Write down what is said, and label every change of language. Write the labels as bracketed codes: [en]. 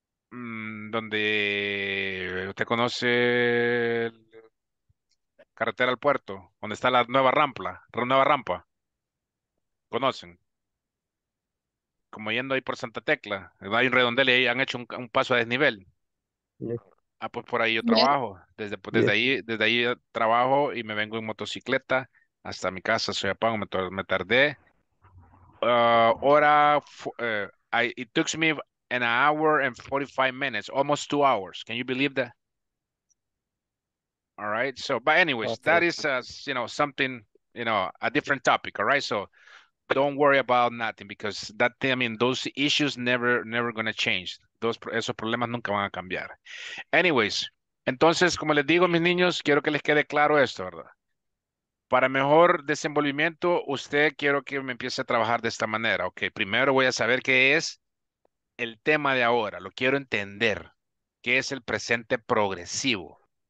[es] Donde usted conoce carretera al puerto, donde está la nueva rampa, ¿conocen? Como yendo ahí por Santa Tecla, hay un redondel y ahí han hecho un paso a desnivel. [en] Yeah. [es] Ah, pues por ahí yo trabajo. Desde ahí trabajo y me vengo en motocicleta hasta mi casa. Soy apago, me tardé. [en] It took me an hour and 45 minutes, almost 2 hours. Can you believe that? All right. So, but anyways, okay. That is, something, a different topic. All right. So, don't worry about nothing because that thing, those issues never gonna change. Esos problemas nunca van a cambiar. Anyways, [es] Entonces, como les digo, mis niños, quiero que les quede claro esto, ¿verdad? Para mejor desenvolvimiento, usted quiero que me empiece a trabajar de esta manera. Ok, primero voy a saber qué es el tema de ahora. Lo quiero entender. ¿Qué es el presente progresivo?